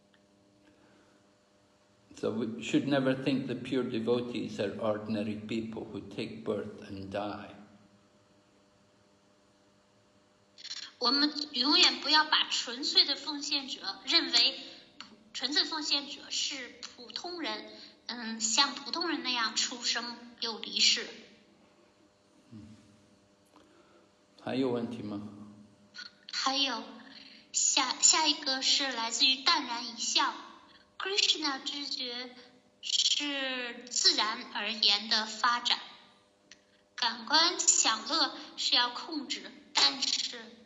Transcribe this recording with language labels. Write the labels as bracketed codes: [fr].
[zh] 但是我们要明白的一点，他们地位是超然的，他们从来不受制于物质的这个karma因果法则的，不受制于物质的因果法则。So [en] we should never think the pure devotees are ordinary people who take birth and die. [zh] 我们永远不要把纯粹的奉献者认为纯粹奉献者是普通人，像普通人那样出生又离世。还有问题吗？还有，下一个是来自于淡然一笑，Krishna知觉是自然而然的发展，感官享乐是要控制，但是。